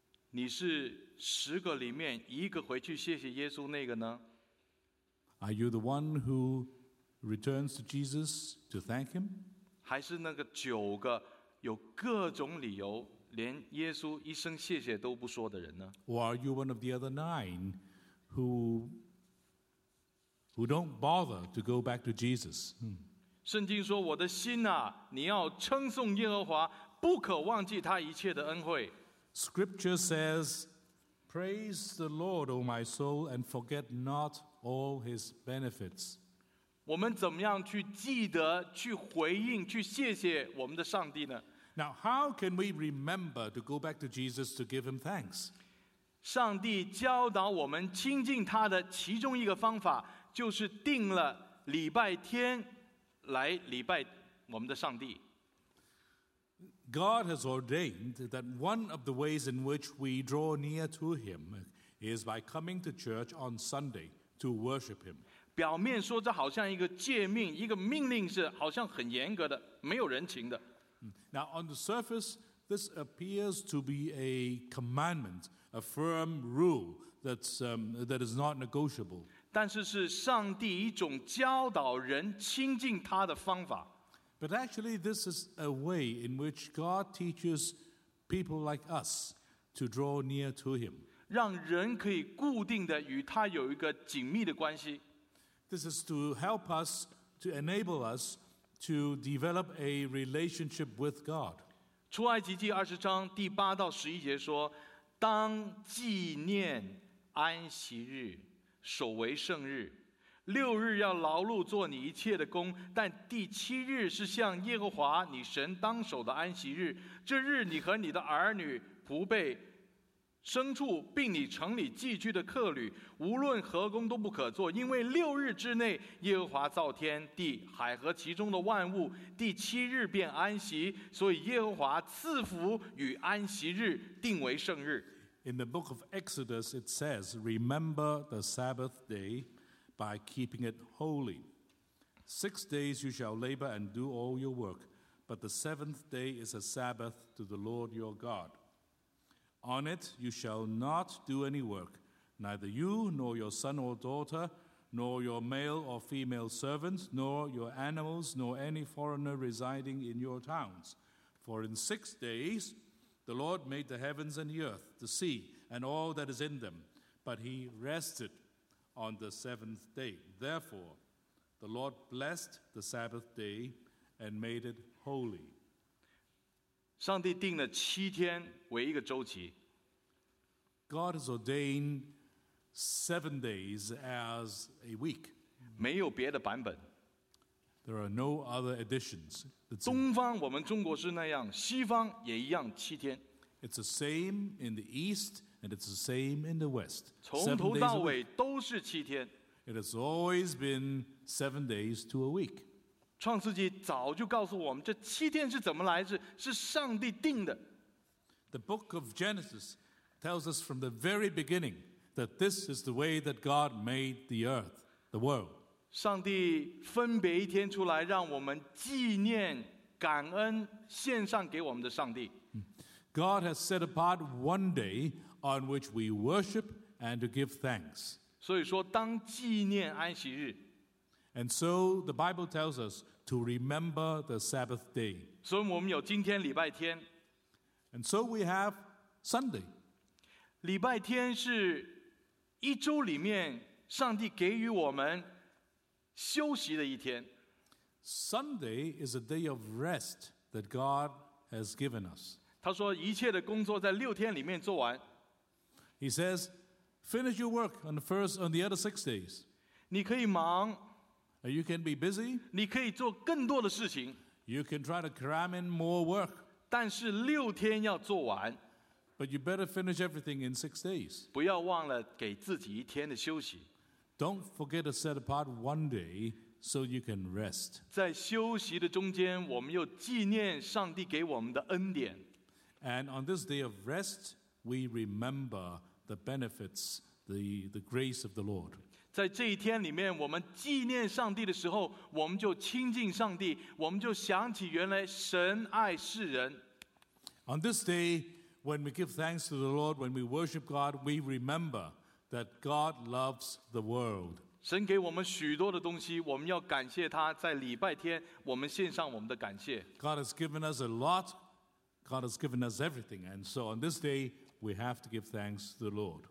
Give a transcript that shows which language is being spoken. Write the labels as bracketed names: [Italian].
[Chinese] 你是 十个里面一个回去谢谢耶稣那个呢？ [English] Are you the one who returns to Jesus to thank him? [Chinese] 还是那个九个有各种理由连耶稣一声谢谢都不说的人呢？ [English] Or are you one of the other 9 who don't bother to go back to Jesus? [Chinese] 圣经说，我的心啊，你要称颂耶和华，不可忘记他一切的恩惠。 [English] Scripture says, Praise the Lord, O my soul, and forget not all his benefits. [Chinese] 我们怎么样去记得、去回应、去谢谢我们的上帝呢？ [English] Now, how can we remember to go back to Jesus to give him thanks? [Chinese] 上帝教导我们亲近他的其中一个方法，就是定了礼拜天来礼拜我们的上帝。 [English] God has ordained that one of the ways in which we draw near to him is by coming to church on Sunday to worship him. [Chinese] 表面说这好像一个诫命，一个命令是好像很严格的，没有人情的。 [English] Now on the surface, this appears to be a commandment, a firm rule that is not negotiable. [Chinese] 但是是上帝一种教导人亲近他的方法。 [English] But actually, this is a way in which God teaches people like us to draw near to Him. [Chinese] 让人可以固定的与他有一个紧密的关系。 [English] This is to help us, to enable us to develop a relationship with God. [Chinese] 出埃及记二十章第八到十一节说：“当纪念安息日，守为圣日。” 六日要劳碌做你一切的工，但第七日是向耶和华你神当守的安息日。这日你和你的儿女、仆婢、牲畜，并你城里寄居的客旅，无论何工都不可做，因为六日之内耶和华造天地海和其中的万物，第七日便安息，所以耶和华赐福与安息日，定为圣日。 [English] In the book of Exodus, it says, "Remember the Sabbath day." By keeping it holy. 6 days you shall labor and do all your work, but the seventh day is a Sabbath to the Lord your God. On it you shall not do any work, neither you nor your son or daughter, nor your male or female servant, nor your animals, nor any foreigner residing in your towns. For in 6 days the Lord made the heavens and the earth, the sea, and all that is in them, but he rested. On the seventh day. Therefore, the Lord blessed the Sabbath day and made it holy. [Chinese] 上帝定了七天为一个周期。 [English] God has ordained 7 days as a week. [Chinese] 没有别的版本。 [English] There are no other additions. [Chinese] 东方我们中国是那样，西方也一样七天。 [English] It's the same in the East. And it's the same in the West. [Chinese] 从头到尾都是七天。 [English] It has always been 7 days to a week. [Chinese] 创世纪早就告诉我们这七天是怎么来的，是上帝定的。 [English] The book of Genesis tells us from the very beginning that this is the way that God made the earth, the world. [Chinese] 上帝分别一天出来，让我们纪念、感恩、献上给我们的上帝。 [English] God has set apart one day. On which we worship and to give thanks. [Chinese] 所以说当纪念安息日。 [English] And so the Bible tells us to remember the Sabbath day. [Chinese] 所以我们有今天礼拜天。 [English] And so we have Sunday. [Chinese] 礼拜天是一周里面上帝给予我们休息的一天。 [English] Sunday is a day of rest that God has given us. [Chinese] 他说一切的工作在六天里面做完。 [English] He says, finish your work on the other 6 days. [Chinese] 你可以忙。 [English] You can be busy. [Chinese] 你可以做更多的事情。 [English] You can try to cram in more work. [Chinese] 但是六天要做完。 [English] But you better finish everything in 6 days. [Chinese] 不要忘了给自己一天的休息。 [English] Don't forget to set apart one day so you can rest. [Chinese] 在休息的中间，我们又纪念上帝给我们的恩典。 [English] And on this day of rest,We remember the benefits, the grace of the Lord. [Chinese] 在这一天里面，我们纪念上帝的时候，我们就亲近上帝，我们就想起原来神爱世人。 [English] On this day, when we give thanks to the Lord, when we worship God, we remember that God loves the world. [Chinese] 神给我们许多的东西，我们要感谢他。在礼拜天，我们献上我们的感谢。 [English] God has given us a lot. God has given us everything, and so on this day. We have to give thanks to the Lord.